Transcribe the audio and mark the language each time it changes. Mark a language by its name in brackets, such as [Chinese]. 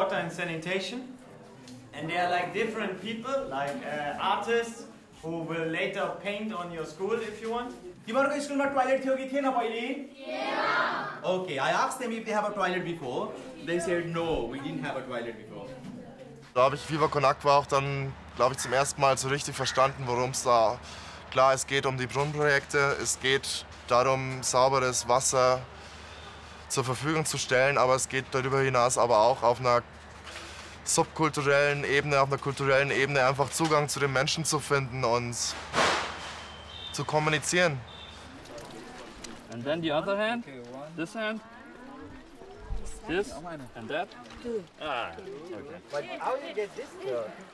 [English] Sanitation, and there are like different people, like artists who will later paint on your school if you want. Tomorrow school not toilet thiogi thi na pahile? Yeah. Okay, I asked them if they have a toilet before. They said no, we didn't have a toilet before. [German] Da habe ich Viva Con Agua auch dann, glaube ich, zum ersten Mal so richtig verstanden, worum es da. Klar, es geht um die Brunnenprojekte. Es geht darum, sauberes Wasser zur Verfügung zu stellen, aber es geht darüber hinaus aber auch auf einer subkulturellen Ebene, auf einer kulturellen Ebene einfach Zugang zu den Menschen zu finden und zu kommunizieren. [English] And then the other hand, this hand, this and that. Ah, okay. But how you get this girl?